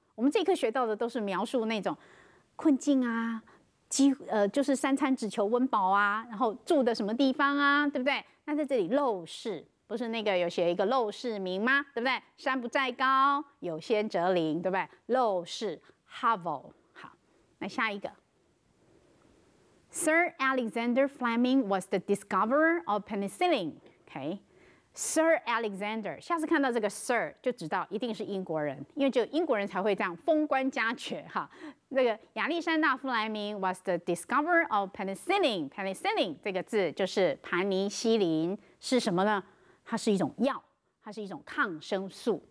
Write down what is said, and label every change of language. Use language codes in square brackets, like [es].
[zh] 我们这一课学到的都是描述那种困境啊，就是三餐只求温饱啊，然后住的什么地方啊，对不对？那在这里陋室，不是那个有写一个陋室铭吗？对不对？山不在高，有仙则灵，对不对？陋室 hovel。好，那下一个。 [en] Sir Alexander Fleming was the discoverer of penicillin. Okay, Sir Alexander. [zh] 下次看到这个 Sir 就知道一定是英国人，因为只有英国人才会这样封官加爵哈。这个 [en] 亚历山大·弗莱明 was the discoverer of penicillin. [zh] Penicillin 这个字就是盘尼西林，是什么呢？它是一种药，它是一种抗生素。